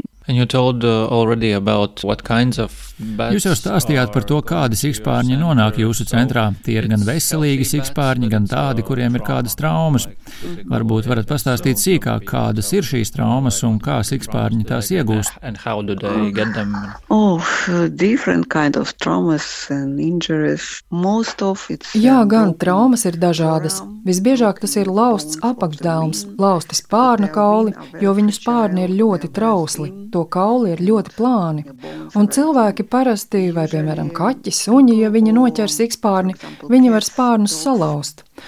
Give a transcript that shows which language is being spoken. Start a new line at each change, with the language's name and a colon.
English: And you told already about what kinds of bats.
Latvian: Jūs jau stāstījāt par to, kādi sikspārņi nonāk jūsu centrā. Tie ir gan veselīgi sikspārņi, gan tādi, kuriem ir kādas traumas. Varbūt varat pastāstīt sīkāk, kādas ir šīs traumas un kā sikspārņi tās iegūst.
English: And how do they get them? Oh, different kind of traumas and injuries. Most of it's
Latvian: Jā, gan traumas ir dažādas. Visbiežāk tas ir lausts apakšdelms, lausti spārnu kauli, jo viņu spārni ir ļoti trausli. To kauli ir ļoti plāni. Un cilvēki parasti, vai piemēram kaķi, suņi, ja viņi noķers sikspārni, viņi var spārnus salaust.